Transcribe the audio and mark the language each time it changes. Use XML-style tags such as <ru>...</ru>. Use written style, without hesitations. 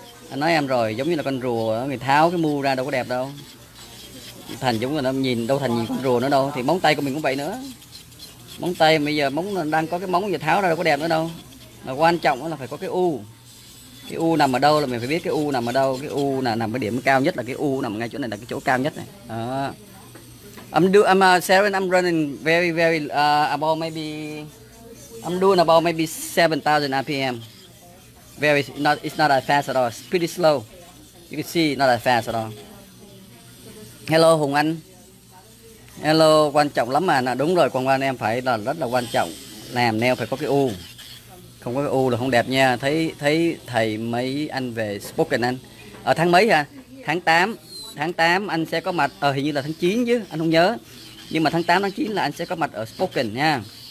<vi>Anh nói em rồi, giống như là con rùa người tháo cái mu ra đâu có đẹp đâu. Thành giống là nó nhìn đâu thành nhìn con rùa nữa đâu, thì móng tay của mình cũng vậy nữa. Móng tay bây giờ móng đang có cái móng giờ tháo ra đâu có đẹp nữa đâu. Mà quan trọng là phải có cái u. Cái u nằm ở đâu là mình phải biết cái u nằm ở đâu, cái u là nằm ở điểm cao nhất, là cái u nằm ngay chỗ này là cái chỗ cao nhất này. Đó.</vi> <en>I'm running very very about maybe I'm doing about maybe 7,000 RPM. Very not, it's not that fast at all. It's pretty slow. You can see not that fast at all.</en> <vi>Hello Hùng Anh. Hello, quan trọng lắm mà. Đúng rồi, quan quan em phải là rất là quan trọng. Làm nail phải có cái u. Không có cái u là không đẹp nha. Thấy thầy mấy anh về spoken anh. Ở tháng mấy hả? Tháng 8. Tháng 8 anh sẽ có mặt. Hình như là tháng 9 chứ, anh không nhớ. Nhưng mà tháng 8, tháng 9 là anh sẽ có mặt ở spoken nha.</vi>